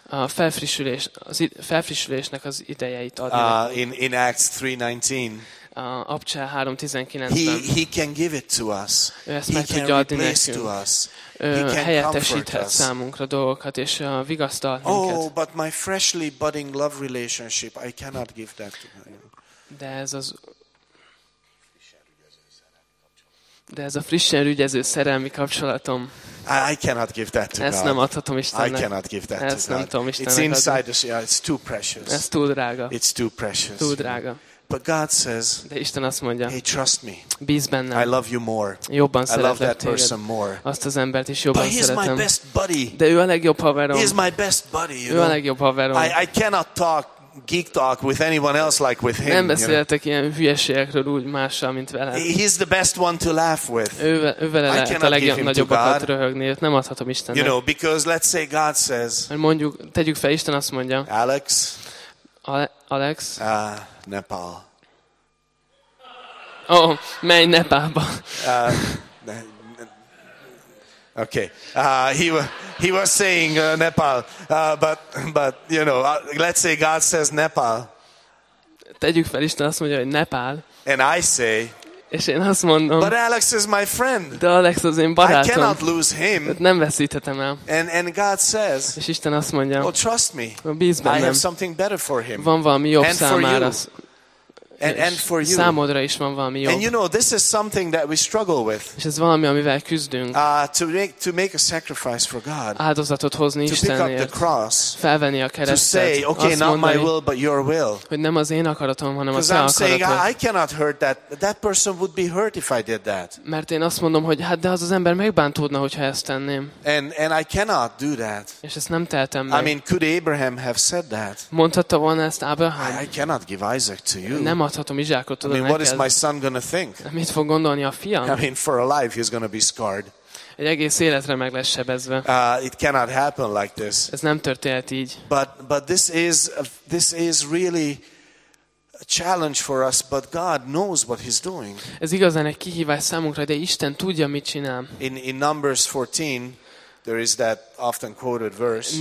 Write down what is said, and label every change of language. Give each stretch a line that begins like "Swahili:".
Hungarian: A felfrissülésnek az idejeit adni.
English: In Acts 3:19.
Hungarian: Apcsá 3:19-ben.
English: He can give it to us. He can replace
Hungarian: nekünk.
English: To us.
Hungarian: Helyettesíthet számunkra dolgokat és vigasztal minket.
English: Oh, but my freshly budding love relationship, I cannot give that to you.
Hungarian: De ez a frissen rügyező szerelmi kapcsolatom.
English: I cannot give that to
Hungarian: ezt
English: God.
Hungarian: Nem adhatom Istennek.
English: I cannot give that
Hungarian: ezt
English: to God.
Hungarian: Tudom
English: it's inside us. Yeah, it's too precious.
Hungarian: Ez túl drága.
English: It's too precious.
Hungarian: Túl drága.
English: But God says,
Hungarian: de Isten azt mondja,
English: hey, trust me.
Hungarian: Bíz bennem.
English: I love you more.
Hungarian: Jobban
English: I love that person more.
Hungarian: Azt az embert is jobban
English: but
Hungarian: szeretem.
English: He is my best buddy.
Hungarian: De ő a legjobb haverom.
English: He is my best buddy.
Hungarian: Ő a legjobb haverom.
English: I cannot talk geek talk with anyone else like with him.
Hungarian: Nem beszélhetek ilyen hülyeségekről úgy mással, mint vele.
English: He's the best one to laugh with.
Hungarian: Ő vele lehet a legnagyobbat röhögni. Őt nem adhatom Istennek.
English: You know, because let's say God says.
Hungarian: Mondjuk, tegyük fel, Isten azt mondja.
English: Alex.
Hungarian: Alex.
English: Nepal.
Hungarian: Oh, menj Nepálba.
English: Okay. He was saying Nepal. But you know, let's say God says Nepal.
Hungarian: Tegyük fel, Isten azt mondja, hogy Nepal.
English: And I say.
Hungarian: És én azt mondom.
English: But Alex is my friend.
Hungarian: De Alex az én barátom.
English: I cannot lose him.
Hungarian: Nem veszíthetem el.
English: And God says.
Hungarian: És Isten azt mondja.
English: Oh, trust me.
Hungarian: Bíz bennem.
English: I have something better for him.
Hungarian: Van valami jobb számára.
English: And for you.
Hungarian: Számodra is van valami jobb.
English: And you know, this is something that we struggle with.
Hungarian: És ez valami, amivel küzdünk.
English: To make a sacrifice for God.
Hungarian: Áldozatot hozni Istenért.
English: To pick up the cross.
Hungarian: Felvenni a keresztet.
English: To say, okay,
Hungarian: mondani,
English: not my will, but your will.
Hungarian: Hogy nem az én akaratom, hanem a te akaratod.
English: Because I'm saying, I cannot hurt that. That person would be hurt if I did that.
Hungarian: Mert én azt mondom, hogy hát de az ember megbántódna, hogyha ezt tenném.
English: And I cannot do that.
Hungarian: És ezt nem tehetem meg.
English: I mean, could Abraham have said that?
Hungarian: Mondhatta volna ezt Abraham?
English: I cannot give Isaac to you.
Hungarian: Nem adhatom Izsákot oda neked.
English: I mean, what is my son gonna think?
Hungarian: Mit fog gondolni a fiam?
English: I mean, for a life he's gonna be scarred.
Hungarian: Egy egész életre meg lesz sebezve.
English: It cannot happen like this.
Hungarian: Ez nem történhet így.
English: But this is really a challenge for us, but God knows what he's doing.
Hungarian: Ez igazán egy kihívás számunkra, de Isten tudja, mit csinál.
English: In Numbers 14, there is that often quoted verse.